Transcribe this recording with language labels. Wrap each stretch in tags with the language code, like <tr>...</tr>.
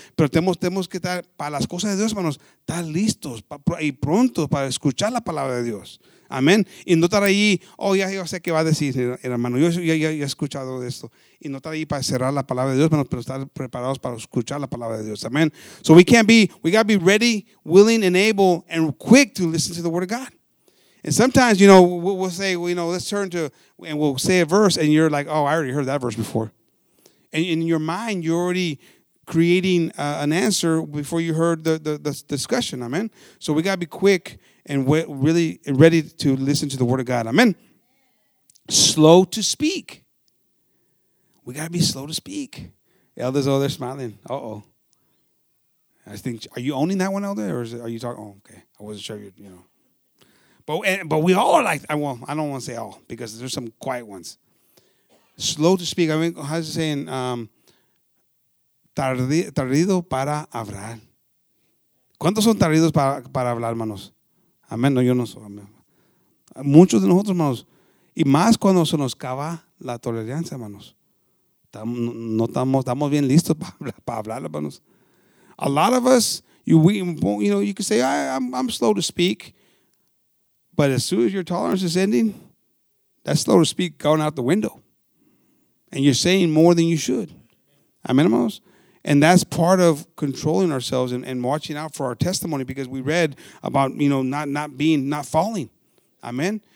<es>Pero tenemos que estar, para las cosas de Dios, hermanos, estar listos y pronto para escuchar la palabra de Dios. Amén. Y no estar ahí, oh, ya yo sé qué va a decir el hermano. Yo ya he escuchado esto. Y no estar ahí para cerrar la palabra de Dios, hermanos, pero estar preparados para escuchar la palabra de Dios. Amén.</es> <en>So we got to be ready, willing, and able, and quick to listen to the word of God. And sometimes, you know, we'll say, well, you know, let's turn to, and we'll say a verse, and you're like, oh, I already heard that verse before. And in your mind, you already creating an answer before you heard the discussion. Amen. So we got to be quick and really ready to listen to the word of God. Amen. Slow to speak. We got to be slow to speak. The elders over there smiling. Uh-oh. I think, are you owning that one, elder? Or are you talking? Oh, okay. I wasn't sure, you know. But we all are like, well, I don't want to say all because there's some quiet ones. Slow to speak. I mean, how's it saying?</en> <es>Tardido para hablar. ¿Cuántos son tardidos para hablar, hermanos? Amén. No, yo no soy. Amen. Muchos de nosotros, hermanos. Y más cuando se nos cava la tolerancia, hermanos. No estamos bien listos para hablar, hermanos.</es> <en>A lot of us, you can say, I'm slow to speak. But as soon as your tolerance is ending, that's slow to speak going out the window. And you're saying more than you should. Amen, hermanos? And that's part of controlling ourselves and watching out for our testimony, because we read about, you know, not falling. Amen?</en>